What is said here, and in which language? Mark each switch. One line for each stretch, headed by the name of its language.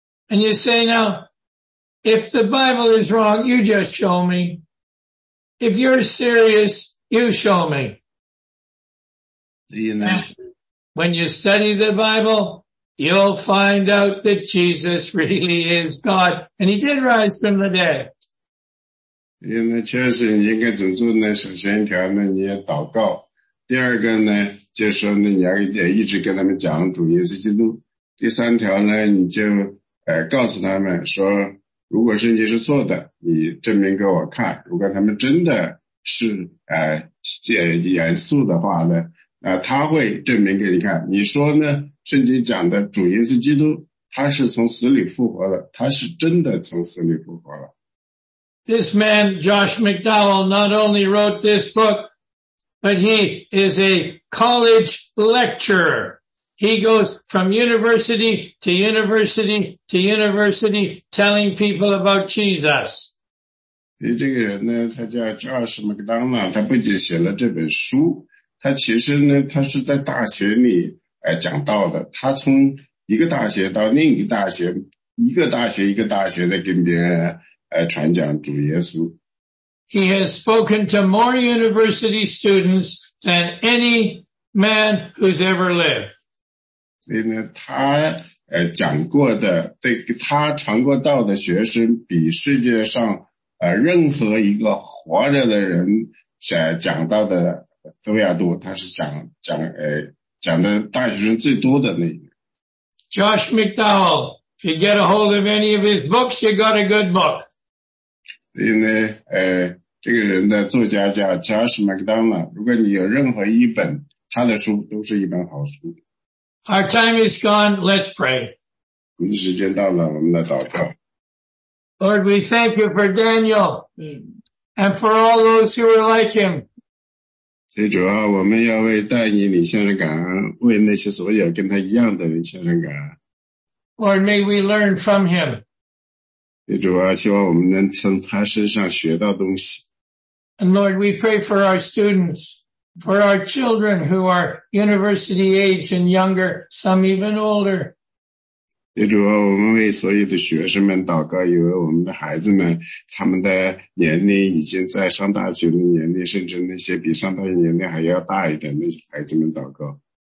English: And you say now, if the Bible is wrong, you just show me. If you're serious,You show me. Do you know? When you study the Bible, you'll find out that Jesus really is God. And he did rise from the dead.
Chinese: 因为确实你应该怎么做呢首先一条呢你要祷告。第二个呢就是说呢你要一直跟他们讲主耶稣基督。第三条呢你就告诉他们说如果圣经是错的，你证明给我看。如果他们真的是严肃的话呢，他会证明给你看。你说呢，圣经讲的主耶稣基督他是从死里复活的，他是真的从死里复活了。
English: This man, Josh McDowell, not only wrote this book, but he is a college lecturer. He goes from university to university to university telling people about Jesus.
Chinese: 这个人呢，他叫 Josh McDowell, 他不仅写了这本书，他其实呢，他是在大学里讲道的，他从一个大学到另一个大学，一个大学一个大学的跟别人传讲主耶稣。
English: He has spoken to more university students than any man who's ever lived.
Chinese: 所以呢，他讲过的，对他传过道的学生，比世界上任何一个活着的人讲道的都要多。他是讲的大学生最多的那一个。
English: Josh McDowell, if you get a hold of any of his books, you got a good book.
Chinese: 所以呢，这个人的作家叫 Josh McDowell。如果你有任何一本他的书，都是一本好书。
English: Our time is gone. Let's pray.
Chinese: 时间到了，我们来祷告。
English: Lord, we thank you for Daniel and for all those who are like him.
Chinese: 所以主啊，我们要为但以理献上感恩，为那些所有跟他一样的人献上感恩。
English: Lord, may we learn from him.
Chinese: 主啊，希望我们能从他身上学到东西。
English: And Lord, we pray for our students, for our children who are university age and younger, some even older.
Chinese: 主啊，我们为所有的学生们祷告，因为我们的孩子们，他们的年龄已经在上大学的年龄，甚至那些比上大学年龄还要大一点的孩子们祷告。